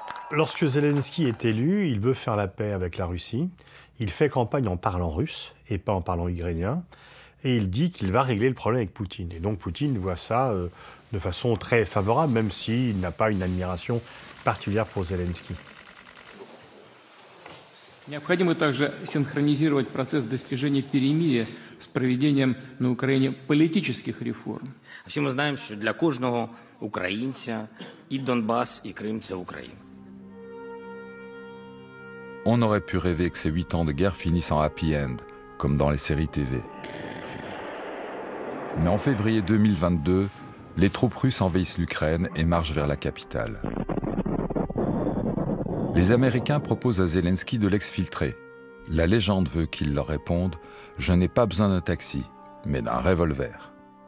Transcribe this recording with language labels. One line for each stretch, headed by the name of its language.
French: Lorsque Zelensky est élu, il veut faire la paix avec la Russie. Il fait campagne en parlant russe et pas en parlant ukrainien. Et il dit qu'il va régler le problème avec Poutine. Et donc Poutine voit ça de façon très favorable, même s'il n'a pas une admiration particulière pour Zelensky.
Russian: Необходимо также синхронизировать процесс достижения перемирия с проведением на Украине политических реформ. Все мы знаем, что для каждого украинца и Донбасс, и Крым – это Украина.
French: On aurait pu rêver que ces 8 ans de guerre finissent en happy end, comme dans les séries TV. Mais en février 2022, les troupes russes envahissent l'Ukraine et marchent vers la capitale. Les Américains proposent à Zelensky de l'exfiltrer. La légende veut qu'il leur réponde « Je n'ai pas besoin d'un taxi, mais d'un revolver. »